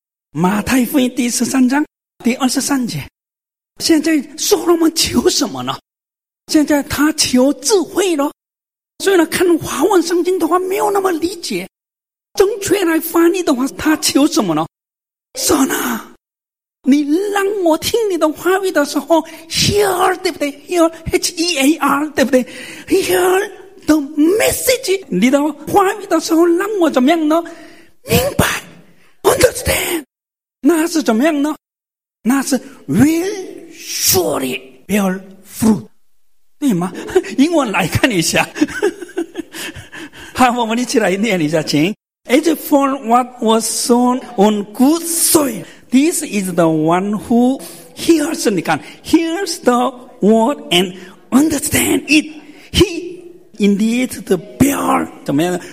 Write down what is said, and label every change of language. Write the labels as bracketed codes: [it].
[zh] 马太福音第13章第23节，现在所罗门求什么呢？现在他求智慧了。所以呢，看华文圣经的话没有那么理解，正确来翻译的话，他求什么呢？神啊，你让我听你的话语的时候 [en] hear, [zh] 对不对？ [en] hear, H-E-A-R, [zh] 对不对？ [en] hear the message, [zh] 你的话语的时候让我怎么样呢？明白 [en] understand。 [zh] 那是怎么样呢？那是 [en] will surely bear fruit, [zh] 对吗？英文来看一下好，我们一起来念一下，请。 [en] As for what was sown on good soil, this is the one who hears, [zh] 你看 [en] hears the word and understand it, he indeed to bear [zh] 怎么样呢？